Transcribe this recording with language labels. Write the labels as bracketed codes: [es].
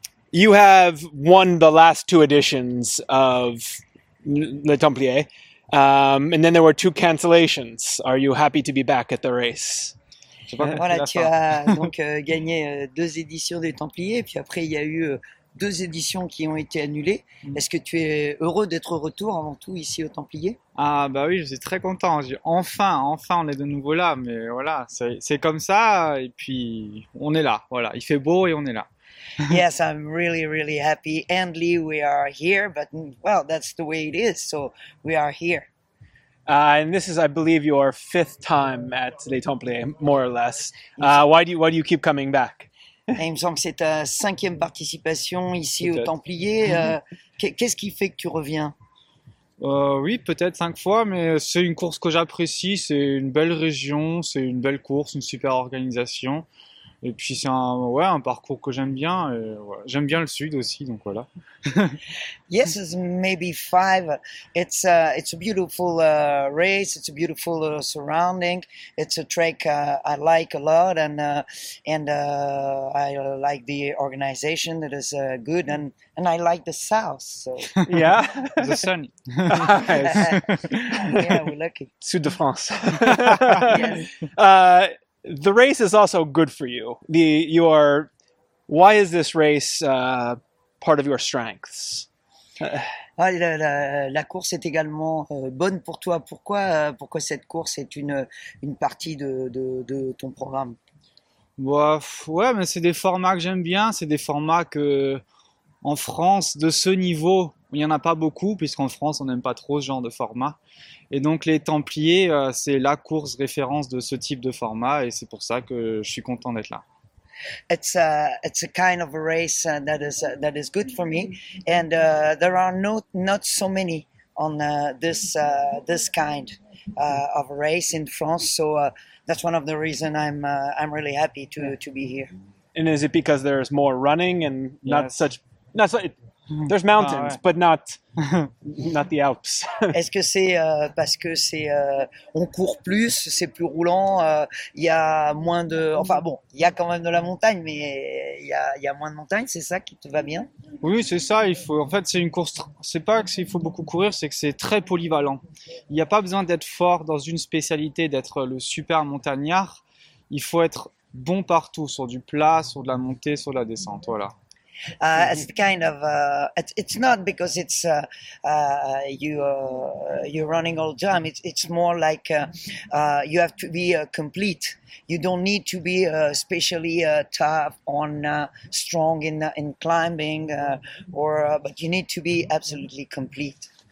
[en] You have won the last two editions of Le Templiers, and then there were two cancellations. Are you happy to be back at the race? [fr] Voilà, tu as donc gagné deux éditions des Templiers, puis après il y a eu deux éditions qui ont été annulées. Est-ce que tu es heureux d'être au retour avant tout ici aux Templiers? Ah bah oui, je suis très content. Enfin, on est de nouveau là. Mais voilà, c'est comme ça. Et puis on est là. Voilà, il fait beau et on est là. Yes, I'm really, really happy. Endly, we are here. But well, that's the way it is. So we are here. And this is, I believe, your fifth time at Les Templiers, more or less. Why do you keep coming back? Il me semble que c'est ta cinquième participation ici aux Templiers. Qu'est-ce qui fait que tu reviens? Oui, peut-être cinq fois, mais c'est une course que j'apprécie. C'est une belle région, c'est une belle course, une super organisation. Et puis c'est un parcours que j'aime bien. Et ouais, j'aime bien le sud aussi, donc voilà. [en] Yes, it's maybe five. It's a beautiful race. It's a beautiful surrounding. It's a track I like a lot, and I like the organization that is good, and I like the south. So. Yeah, the sun. Yeah, we're lucky. [fr] Sud de France. [en] Yes. The race is also good for you. Why is this race part of your strengths? [fr] La course est également bonne pour toi. Pourquoi cette course est une partie de ton programme? Ouais, mais c'est des formats que j'aime bien. C'est des formats que en France de ce niveau. Il n'y en a pas beaucoup, puisqu'en France, on n'aime pas trop ce genre de format. Et donc, les Templiers, c'est la course référence de ce type de format, et c'est pour ça que je suis content d'être là. [en] It's a kind of a race that is good for me, and there are not so many on this kind of a race in France, so that's one of the reasons I'm really happy to be here. And is it because there's more running and not yes. such... Not so, there's mountains, but not the Alps. [fr] Est-ce que c'est parce que c'est on court plus, c'est plus roulant, il y a moins de, enfin bon, il y a quand même de la montagne, mais il y a moins de montagnes, c'est ça qui te va bien? Oui, c'est ça. Il faut, en fait, c'est une course. C'est pas que il faut beaucoup courir, c'est que c'est très polyvalent. Il n'y a pas besoin d'être fort dans une spécialité, d'être le super montagnard. Il faut être bon partout, sur du plat, sur de la montée, sur de la descente. Voilà. [en] It's kind of it's not because it's you're running all the time. It's more like you have to be complete. You don't need to be especially tough on strong in climbing but you need to be absolutely complete.